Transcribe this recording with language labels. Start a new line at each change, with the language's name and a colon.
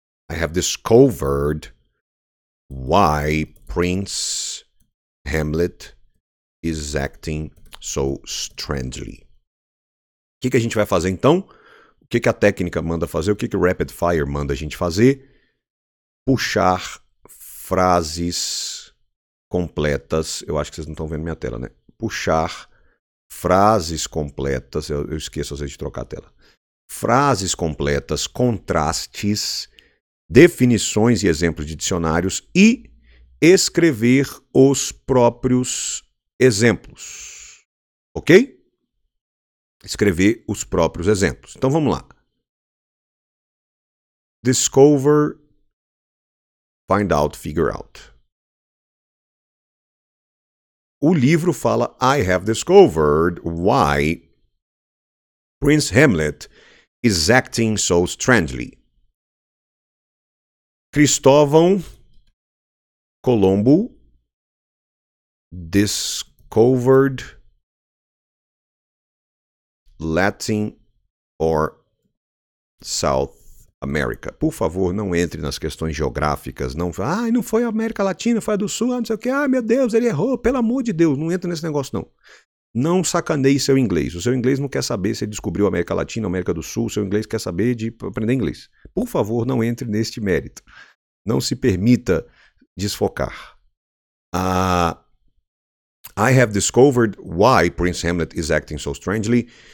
English: I have discovered why Prince Hamlet is acting so strangely.
Portuguese: O que, que a gente vai fazer então? O que, que a técnica manda fazer? O que, que o Rapid Fire manda a gente fazer? Puxar frases completas. Eu acho que vocês não estão vendo minha tela, né? Puxar frases completas, eu esqueço às vezes de trocar a tela. Frases completas, contrastes, definições e exemplos de dicionários e escrever os próprios exemplos. Ok? Escrever os próprios exemplos. Então vamos lá.
English: Discover, find out, figure out.
Portuguese: O livro fala,
English: I have discovered why Prince Hamlet is acting so strangely. Cristóvão Colombo discovered Latin or South America.
Portuguese: Por favor, não entre nas questões geográficas. Não, ah, não foi a América Latina, foi a do Sul, não sei o quê. Ah, meu Deus, ele errou. Pelo amor de Deus, não entre nesse negócio, não. Não sacaneie seu inglês. O seu inglês não quer saber se ele descobriu América Latina, América do Sul. O seu inglês quer saber de aprender inglês. Por favor, não entre neste mérito. Não se permita desfocar.
English: I have discovered why Prince Hamlet is acting so strangely.